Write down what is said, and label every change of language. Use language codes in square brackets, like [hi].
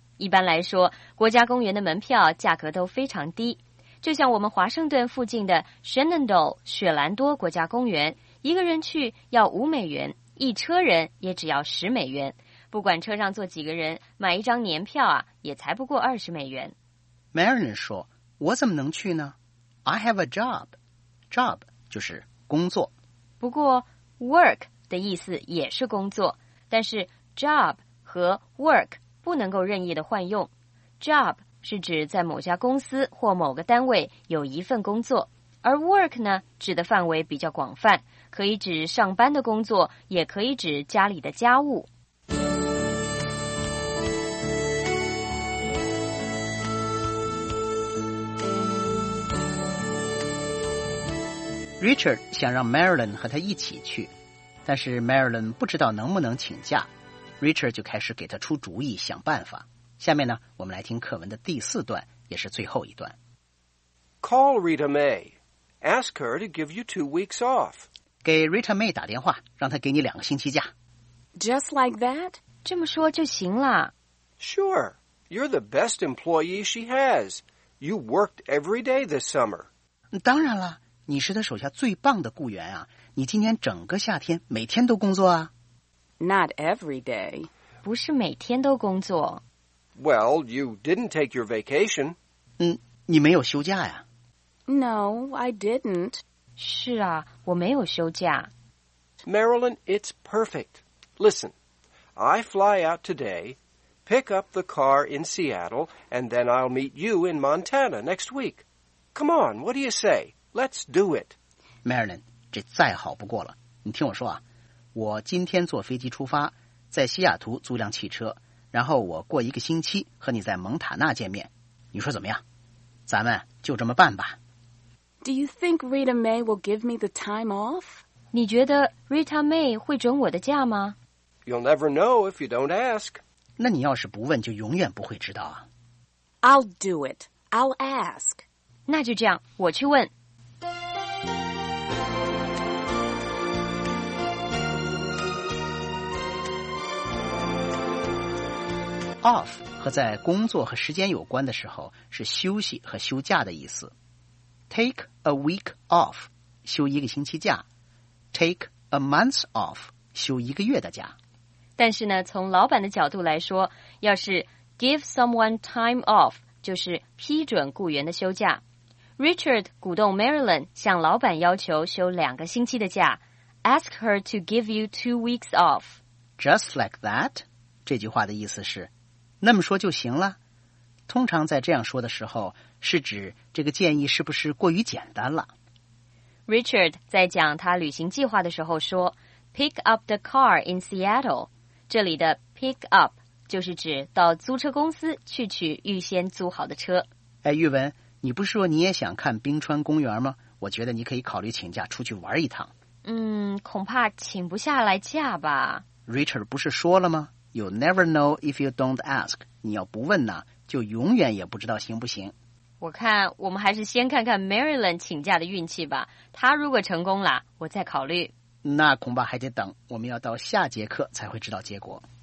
[zh] 一般来说，国家公园的门票价格都非常低，就像我们华盛顿附近的 Shenandoah 雪兰多国家公园，一个人去要5美元，一车人也只要10美元，不管车上坐几个人，买一张年票啊，也才不过20美元。 Marilyn 说，我怎么能去呢？ [en] I have a job， job [zh] 就是工作。不过 work 的意思也是工作，但是 job 和 work 不能够任意的换用。 job 是指在某家公司或某个单位有一份工作，而 work 呢，指的范围比较广泛，可以指上班的工作，也可以指家里的家务。 Richard 想让 Marilyn 和他一起去，但是 Marilyn 不知道能不能请假， Richard 就开始给他出主意，想办法。下面呢，我们来听课文的第四段，也是最后一段。 [en] Call Rita May. Ask her to give you 2 weeks off. [zh] 给 Rita May 打电话，让她给你2个星期假。 [en] Just like that? [zh] 这么说就行了。 [en] Sure. You're the best employee she has. You worked every day this summer. [zh] 当然了。你是他手下最棒的雇员啊，你今天整个夏天每天都工作啊。 [en] Not every day. [zh] 不是每天都工作。 [en] Well, you didn't take your vacation. [zh] 你没有休假呀。 [en] No, I didn't. [zh] 是啊，我没有休假。 [en] Marilyn, it's perfect. Listen, I fly out today, pick up the car in Seattle, and then I'll meet you in Montana next week. Come on, what do you say? Let's do it. [zh] Marilyn, 这再好不过了。你听我说啊，我今天坐飞机出发，在西雅图租辆汽车，然后我过一个星期和你在蒙塔纳见面。你说怎么样？咱们就这么办吧。 [en] Do you think Rita May will give me the time off? [zh] 你觉得 Rita May 会准我的假吗？ [en] You'll never know if you don't ask. [zh] 那你要是不问，就永远不会知道啊。 [en] I'll do it. I'll ask. [zh] 那就这样，我去问。 Off 和在工作和时间有关的时候是休息和休假的意思。 [en] Take a week off [zh] 休1个星期假， [en] Take a month off [zh] 休1个月的假。但是呢，从老板的角度来说，要是 [en] give someone time off [zh] 就是批准雇员的休假。 Richard 鼓动 Marilyn 向老板要求休2个星期的假， [en] Ask her to give you 2 weeks off. Just like that [zh] 这句话的意思是那么说就行了。通常在这样说的时候，是指这个建议是不是过于简单了。 Richard 在讲他旅行计划的时候说 [en] Pick up the car in Seattle， [zh] 这里的 pick up 就是指到租车公司去取预先租好的车。哎，玉文，你不是说你也想看冰川公园吗？我觉得你可以考虑请假出去玩一趟。恐怕请不下来假吧。 Richard 不是说了吗？ [en] You never know if you don't ask. [zh] 你要不问呢，就永远也不知道行不行。我看我们还是先看看 Marilyn 请假的运气吧。她如果成功了，我再考虑。那恐怕还得等，我们要到下节课才会知道结果。